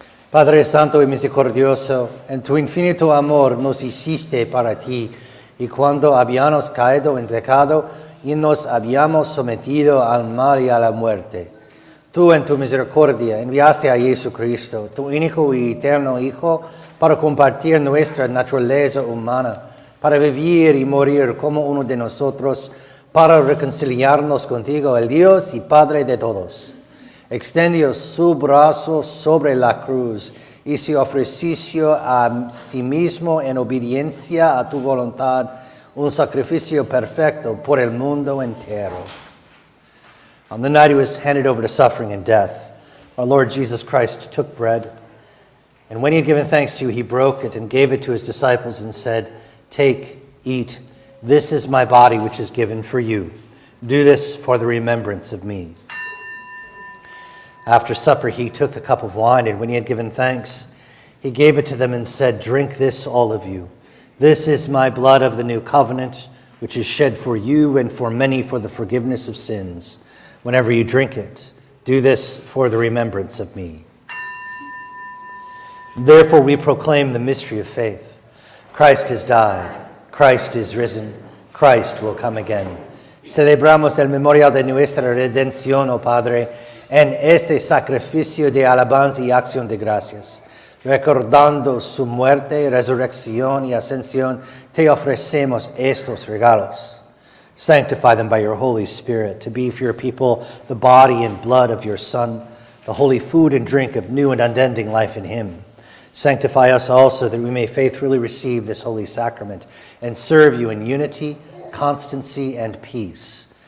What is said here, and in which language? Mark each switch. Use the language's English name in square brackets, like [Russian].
[Spanish] Padre Santo y Misericordioso, en tu infinito amor nos hiciste para ti, y cuando habíamos caído en pecado y nos habíamos sometido al mal y a la muerte, tú en tu misericordia enviaste a Jesucristo, tu único y eterno Hijo, para compartir nuestra naturaleza humana, para vivir y morir como uno de nosotros, para reconciliarnos contigo, el Dios y Padre de todos. Extendió su brazo sobre la cruz y se ofreció a sí mismo en obediencia a tu voluntad, un sacrificio perfecto por el mundo entero. [English] On the night he was handed over to suffering and death, our Lord Jesus Christ took bread. And when he had given thanks to you, he broke it and gave it to his disciples and said, "Take, eat, this is my body which is given for you. Do this for the remembrance of me." After supper, he took the cup of wine, and when he had given thanks, he gave it to them and said, "Drink this, all of you. This is my blood of the new covenant, which is shed for you and for many for the forgiveness of sins. Whenever you drink it, do this for the remembrance of me." Therefore, we proclaim the mystery of faith. Christ has died. Christ is risen. Christ will come again. [Spanish] Celebramos el memorial de nuestra redención, oh Padre, en este sacrificio de alabanza y acción de gracias. Recordando su muerte, resurrección y ascensión, te ofrecemos estos regalos. [English] Sanctify them by your Holy Spirit, to be for your people the body and blood of your Son, the holy food and drink of new and unending life in him. Sanctify us also that we may faithfully receive this holy sacrament and serve you in unity, constancy, and peace.